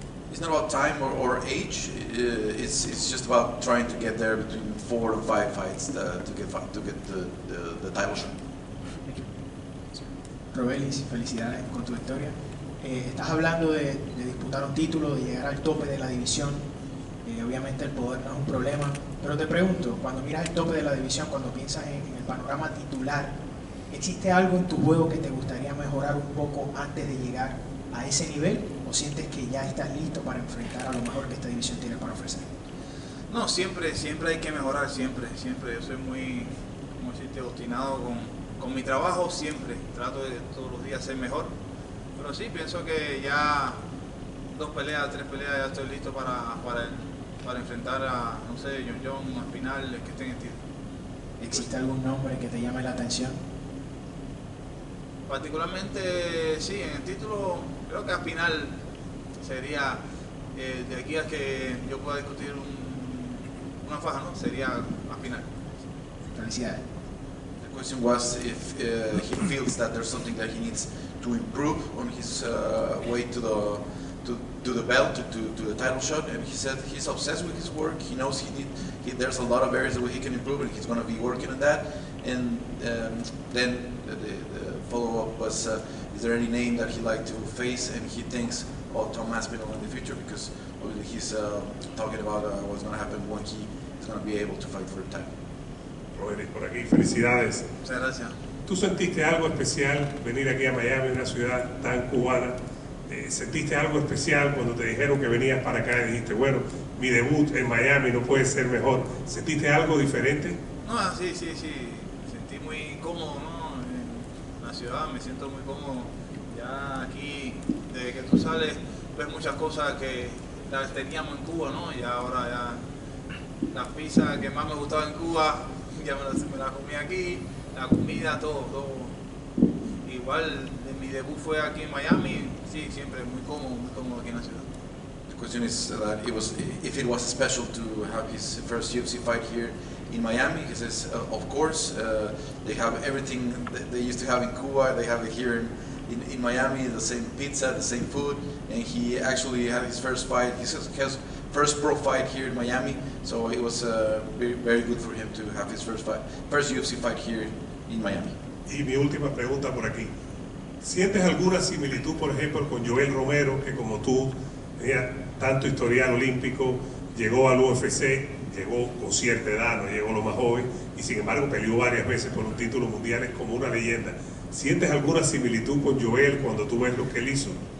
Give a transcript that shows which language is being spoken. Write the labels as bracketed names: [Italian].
[English] It's not about time or age, it's just about trying to get there between 4 or 5 fights to get the title shot. [Spanish] Robelis, felicidades con tu victoria. Estás hablando de disputar un título, de llegar al tope de la división. Obviamente el poder no es un problema, pero te pregunto, cuando miras el tope de la división, cuando piensas en el panorama titular, ¿existe algo en tu juego que te gustaría mejorar un poco antes de llegar a ese nivel? ¿O sientes que ya estás listo para enfrentar a lo mejor que esta división tiene para ofrecer? No, siempre hay que mejorar, siempre. Yo soy muy, como decirte, obstinado con mi trabajo, siempre trato de todos los días ser mejor, pero sí, pienso que ya 2 peleas, 3 peleas ya estoy listo para enfrentar a, no sé, John, una final, que esté en el título. ¿Existe algún nombre que te llame la atención? Particularmente, sí, en el título, creo que a final sería, de aquí a que yo pueda discutir una faja, ¿no? Sería a final. Felicidades. [English] The question was if he feels that there's something that he needs to improve on his way to the belt, to the title shot, and he said he's obsessed with his work. He knows there's a lot of areas where he can improve, and he's going to be working on that. And then the follow-up was, is there any name that he'd like to face, and he thinks about Tom Aspinall in the future, because obviously he's talking about what's going to happen when he is going to be able to fight for the title. [Spanish] Por aquí, felicidades. Muchas gracias. ¿Tú sentiste algo especial venir aquí a Miami, una ciudad tan cubana? ¿Sentiste algo especial cuando te dijeron que venías para acá y dijiste, bueno, mi debut en Miami no puede ser mejor? ¿Sentiste algo diferente? No, sí. Me sentí muy cómodo, ¿no? En la ciudad me siento muy cómodo. Ya aquí, desde que tú sales, ves muchas cosas que las teníamos en Cuba, ¿no? Y ahora ya la pizza que más me gustaba en Cuba, ya me la comí aquí, la comida, todo. Igual, en mi debut fue aquí en Miami, sí, siempre muy cómodo aquí en la ciudad. [English] The question is that it was, if it was special to have his first UFC fight here in Miami, he says, of course, they have everything that they used to have in Cuba, they have it here in Miami, the same pizza, the same food, and he actually had his first fight, he says, has first pro fight here in Miami, so it was very, very good for him to have his first UFC fight here in Miami. [Spanish] Y mi última pregunta por aquí. ¿Sientes alguna similitud, por ejemplo, con Joel Romero, que como tú, tenía tanto historial olímpico, llegó al UFC, llegó con cierta edad, no llegó lo más joven, y sin embargo peleó varias veces por los títulos mundiales como una leyenda. ¿Sientes alguna similitud con Joel cuando tú ves lo que él hizo?